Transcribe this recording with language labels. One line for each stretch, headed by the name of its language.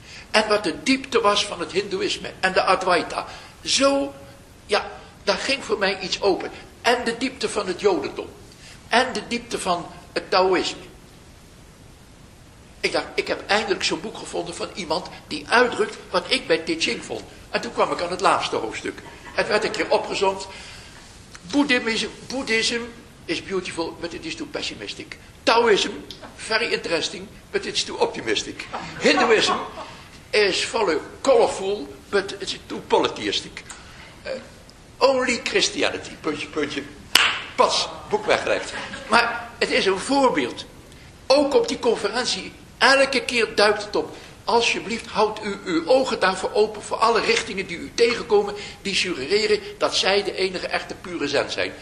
Dutch: En wat de diepte was van het hindoeïsme en de Advaita. Zo, ja, daar ging voor mij iets open. En de diepte van het jodendom. En de diepte van het taoïsme. Ik dacht, ik heb eindelijk zo'n boek gevonden van iemand die uitdrukt wat ik bij Te Ching vond. En toen kwam ik aan het laatste hoofdstuk. Het werd een keer opgezond.
English: Boeddhism is beautiful, but it is too pessimistic. Taoism, very interesting, but it's too optimistic. Hinduism is very colorful, but it's too polytheistic. Only Christianity,
Dutch: puntje, puntje. Pas, boek weggelegd. Maar het is een voorbeeld. Ook op die conferentie, elke keer duikt het op. Alsjeblieft, houdt u uw ogen daarvoor open voor alle richtingen die u tegenkomen, die suggereren dat zij de enige echte pure Zen zijn.